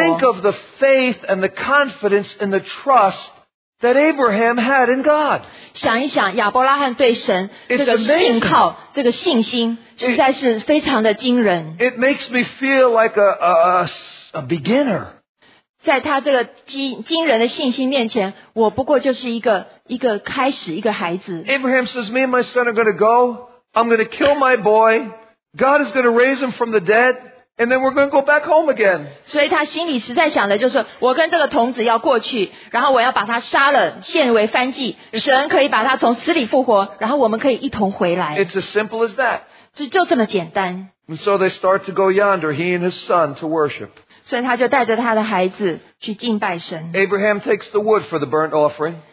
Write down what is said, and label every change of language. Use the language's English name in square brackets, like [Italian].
[English] Think of the faith and the confidence and the trust that Abraham had in God. [Chinese] 想一想, 亚伯拉罕对神, 这个信靠, 这个信心, 实在是非常的惊人。 [English] It makes me feel like a beginner. [Chinese] 在他这个惊人的信心面前, 我不过就是一个, 一个开始, 一个孩子。 [English] Abraham says, me and my son are going to go, I'm going to kill my boy, God is going to raise him from the dead, and then we're going to go back home again. [Chinese] 所以他心里实在想的就是, 我跟这个童子要过去, 然后我要把他杀了, 献为燔祭, 神可以把他从死里复活, 然后我们可以一同回来。 [English] It's as simple as that. [Chinese] 就这么简单。 [English] And so they start to go yonder, he and his son, to worship. [Chinese] 所以他就带着他的孩子去敬拜神。 [English] Abraham takes the wood for the burnt offering.